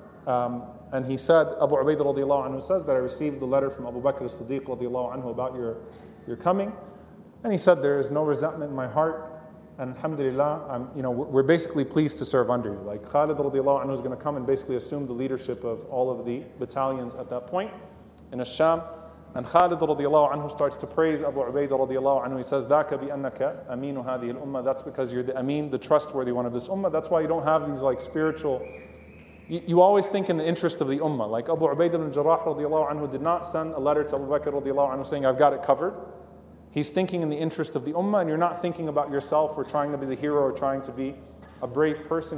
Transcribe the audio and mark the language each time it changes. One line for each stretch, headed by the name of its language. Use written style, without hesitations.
English: And he said, Abu Ubaidah radiallahu anhu says that I received the letter from Abu Bakr as-Siddiq radiallahu anhu about your coming. And he said, there is no resentment in my heart. And alhamdulillah, we're basically pleased to serve under you. Like Khalid radiallahu anhu is going to come and basically assume the leadership of all of the battalions at that point in Ash-Sham. And Khalid radiallahu anhu starts to praise Abu Ubaidah radiallahu anhu.
Arabic: He says, ذَاكَ بِأَنَّكَ أَمِينُ هَذِهِ الْأُمَّةِ.
English: That's because you're the Amin, the trustworthy one of this Ummah. That's why you don't have these like spiritual... You always think in the interest of the Ummah. Like Abu Ubaidah ibn Jarrah radiallahu anhu did not send a letter to Abu Bakr radiallahu anhu saying, I've got it covered. He's thinking in the interest of the Ummah, and you're not thinking about yourself or trying to be the hero or trying to be a brave person.